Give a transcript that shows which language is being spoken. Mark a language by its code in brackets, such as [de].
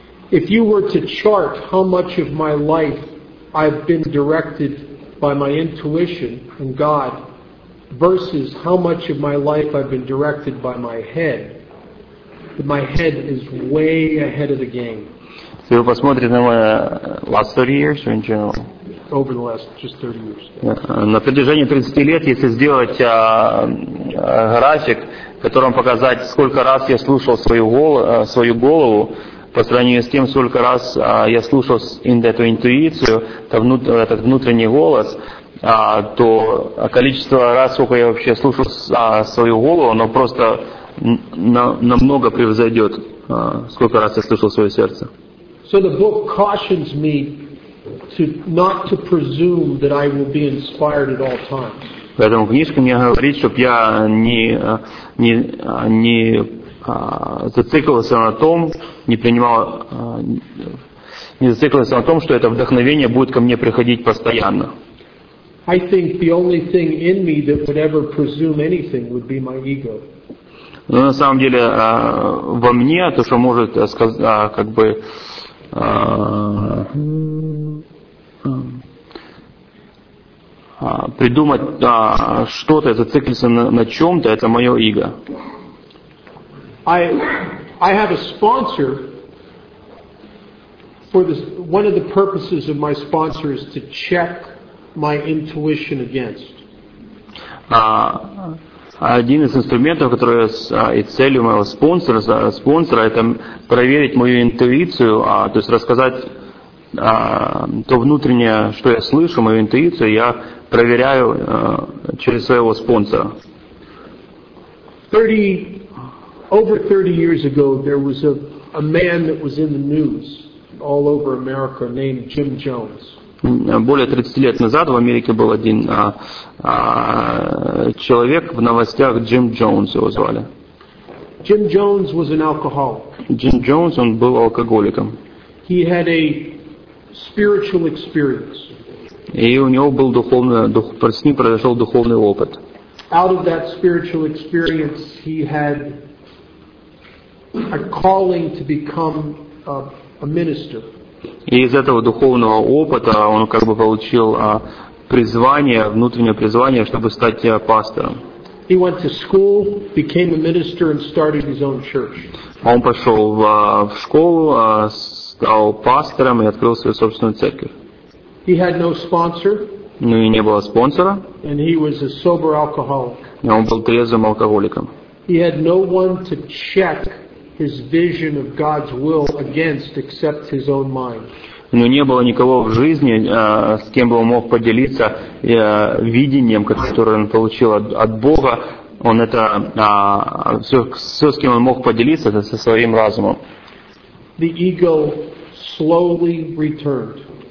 [en] If you were to chart how much of my life I've been directed by my intuition and God, versus how much of my life I've been directed by my head. My head is way ahead of the game. So if you look at the last 30 years or in general? Over the last just 30 years. [ru] На протяжении 30 лет, если сделать график, в котором показать, сколько раз я слушал свою голову, по сравнению с тем, сколько раз я слушал эту интуицию, этот внутренний голос, то количество раз, сколько я вообще слушал свою голову, оно просто намного превзойдет, сколько раз я слышал свое сердце. [en] So the book cautions me not to presume that I will be inspired at all times. [ru] Поэтому книжка мне говорит, чтобы я не зацикливался на том, что это вдохновение будет ко мне приходить постоянно. [en] I think the only thing in me that would ever presume anything would be my ego. [ru] Но на самом деле во мне то, что может как бы придумать что-то, зациклиться на чем-то, это мое эго. [en] I have a sponsor. One of the purposes of my sponsor is to check my intuition against. [ru] Один из инструментов, который и целью моего спонсора, это проверить мою интуицию, то есть рассказать то внутреннее, что я слышу, мою интуицию, я проверяю через своего спонсора. [en] Over 30 years ago there was a man that was in the news all over America named Jim Jones. [ru] Более 30 лет назад в Америке был один человек в новостях, Джим Джонс его звали. [en] Jim Jones was an alcoholic. [ru] Jim Jones, он был алкоголиком. [en] He had a spiritual experience. [ru] И у него был с ним произошел духовный опыт. [en] Out of that spiritual experience he had a calling to become a minister. [ru] И из этого духовного опыта он как бы получил призвание, внутреннее призвание, чтобы стать пастором. [en] He went to school, became a minister, and started his own church. [ru] Он пошел в школу, стал пастором и открыл свою собственную церковь. [en] He had no sponsor. [ru] Ну и не было спонсора. [en] And he was a sober alcoholic. [ru] И он был трезвым алкоголиком. [en] He had no one to check his vision of God's will against except his own mind. [ru] Но не было никого в жизни, с кем бы он мог поделиться видением, которое он получил от Бога. Он это все, с кем он мог поделиться, это со своим разумом. [en] The ego slowly returned.